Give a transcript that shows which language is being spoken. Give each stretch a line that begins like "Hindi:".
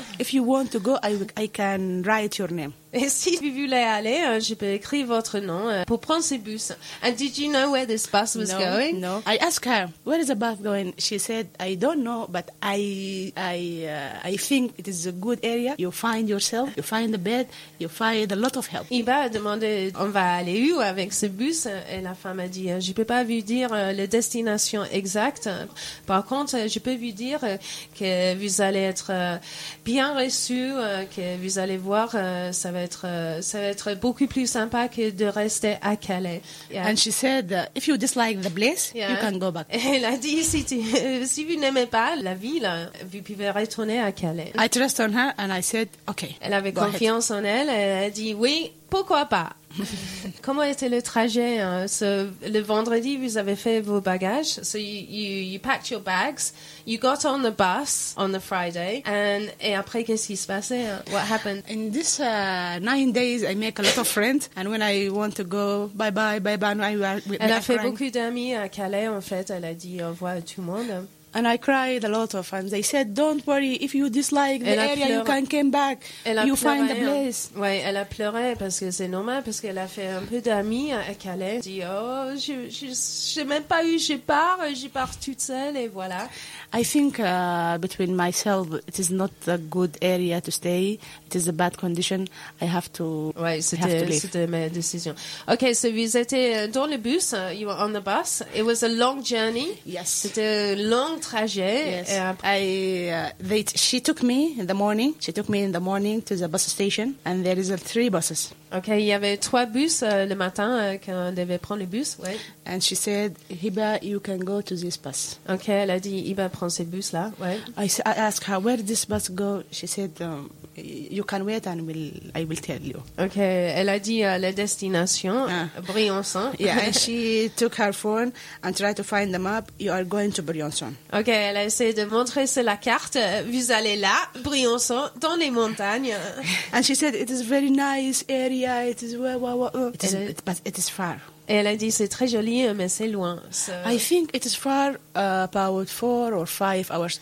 English: If you want to go, I can write your name.
French: Et si vous voulez aller, je peux écrire votre nom pour prendre ce bus.
English: And did you know where this bus was going? No. I asked her, where is the bus going? She said, I don't know, but I think it is a good area. You find yourself, you find a bed, you find a lot of help.
French: Iba a demandé, on va aller où avec ce bus? Et la femme a dit, je ne peux pas vous dire la destination exacte. Par contre, je peux vous dire que vous allez être bien reçus, que vous allez voir, ça va être beaucoup plus sympa que de rester à Calais.
English: Yeah. And she said, if you dislike the place, yeah, you can go back.
French: Elle a dit, si vous n'aimez pas la ville, vous pouvez retourner à Calais.
English: I trust on her and I said, okay.
French: Elle avait confiance en elle et elle a dit, oui, pourquoi pas. Comment était le trajet? Le vendredi, vous avez fait vos bagages.
English: So you packed your bags. You got on the bus on the Friday.
French: Et après, qu'est-ce qui se passait?
English: What happened? In this 9 days, I make a lot of friends. And when I want to go, bye bye.
French: Elle a fait beaucoup d'amis à Calais, en fait. Elle a dit au revoir à tout le monde.
English: And I cried a lot of, and they said, don't worry, if you dislike the area, you can come back, you find the place.
French: Ouais, elle a pleuré, parce que c'est normal, parce qu'elle a fait un peu d'amis à Calais. Elle dit, je pars toute seule, et voilà.
English: I think between myself, it is not a good area to stay, it is a bad condition, I have to,
French: ouais, c'était,
English: have to leave.
French: C'était ma décision.
English: Ok, so
French: vous étiez dans le bus,
English: you were on the bus, it was a long journey. Yes.
French: C'était long trajet.
English: Yes. She took me in the morning. She took me in the morning to the bus station, and there is 3 buses.
French: Okay, il y avait 3 bus le matin quand on devait prendre le bus. Ouais.
English: And she said, Hiba, you can go to this bus.
French: Okay, elle a dit, Hiba, prends ce bus là. Ouais.
English: I asked her, where this bus go? She said, you can wait and I will tell you.
French: Okay, elle a dit la destination. Briançon.
English: Yeah, and she took her phone and tried to find the map. You are going to Briançon.
French: Ok, elle a essayé de montrer sur la carte. Vous allez là, Briançon, dans les montagnes.
English: And she said, it is a very nice area. It is but it is far.
French: Et elle a dit, c'est très joli, mais c'est loin.
English: So, I think it is far, about 4 or 5 hours.